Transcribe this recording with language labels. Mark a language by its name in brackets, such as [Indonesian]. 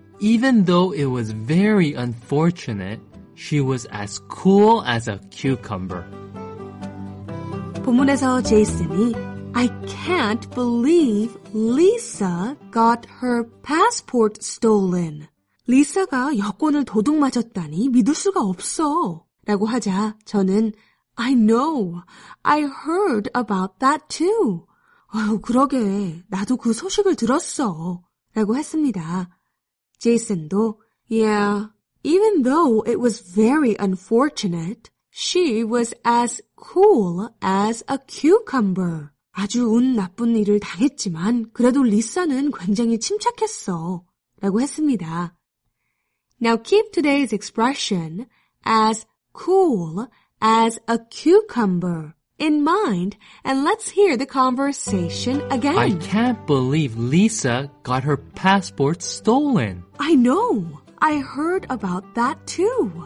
[English] Even though it was very unfortunate, she was as cool as a cucumber. [Korean] 본문에서 제이슨이 [English] I can't believe Lisa got her passport stolen. [Korean] Lisa가 여권을 도둑맞았다니 믿을 수가 없어. 라고 하자 저는 [English] I know, I heard about that too. [Korean] 아유, 그러게, 나도 그 소식을 들었어. 라고 했습니다. 제이슨도 [English] Yeah, even though it was very unfortunate, she was as cool as a cucumber. [Korean] 아주 운 나쁜 일을 당했지만 그래도 리사는 굉장히 침착했어 라고 했습니다. [English] Now keep today's expression as cool as a cucumber in mind and let's hear the conversation again. I can't believe Lisa got her passport stolen. I know. I heard about that too.